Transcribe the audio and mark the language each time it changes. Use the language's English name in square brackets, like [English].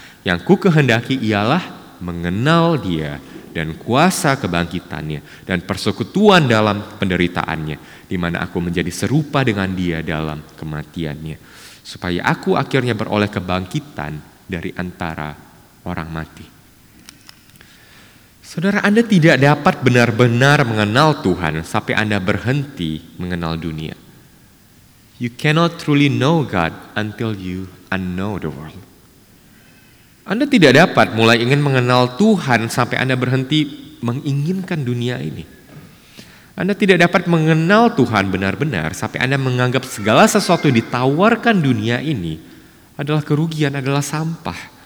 [Indonesian] Yang ku kehendaki ialah mengenal dia dan kuasa kebangkitannya dan persekutuan dalam penderitaannya, di mana aku menjadi serupa dengan dia dalam kematiannya, supaya aku akhirnya beroleh kebangkitan dari antara orang mati." Saudara, Anda tidak dapat benar-benar mengenal Tuhan sampai Anda berhenti mengenal dunia. [English] You cannot truly know God until you unknow the world. [Indonesian] Anda tidak dapat mulai ingin mengenal Tuhan sampai Anda berhenti menginginkan dunia ini. Anda tidak dapat mengenal Tuhan benar-benar sampai Anda menganggap segala sesuatu yang ditawarkan dunia ini adalah kerugian, adalah sampah.